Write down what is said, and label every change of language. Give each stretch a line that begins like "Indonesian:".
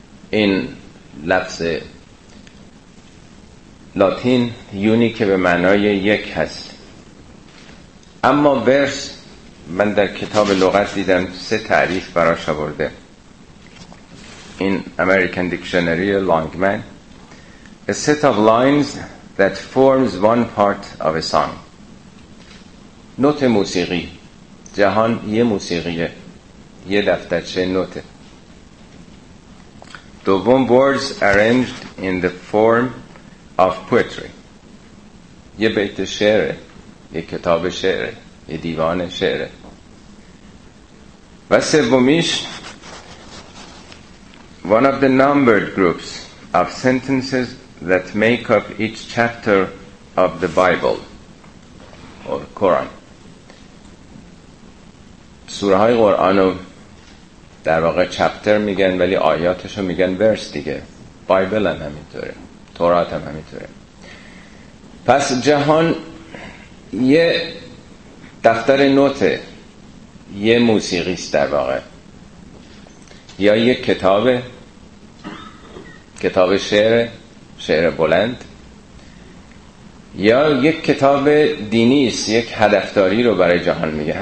Persian: این لفظ لاتین یونی که به معنای یک هست، اما ورس من در کتاب لغت دیدم 3 تعریف براش آورده.
English: این American Dictionary Longman: A set of lines that forms one part of a song.
Persian: نوت موسیقی. جهان یه موسیقیه، یه دفترچه نوته.
English: دوم: words arranged in the form of poetry.
Persian: یه بیت شعره، یه کتاب شعره، یه دیوان شعره. و سومیش:
English: one of the numbered groups of sentences that make up each chapter of the Bible or Quran.
Persian: سوره های قرآنو در واقع چپتر میگن، ولی آیاتشو میگن ورس دیگه. بایبل هم همینطوره، تورات هم همینطوره. پس جهان یه دفتر نوته، یه موسیقیست در واقع، یا یه کتابه، کتاب شعر، شعر بلند، یا یک کتاب دینیست، یک هدفداری رو برای جهان میگه.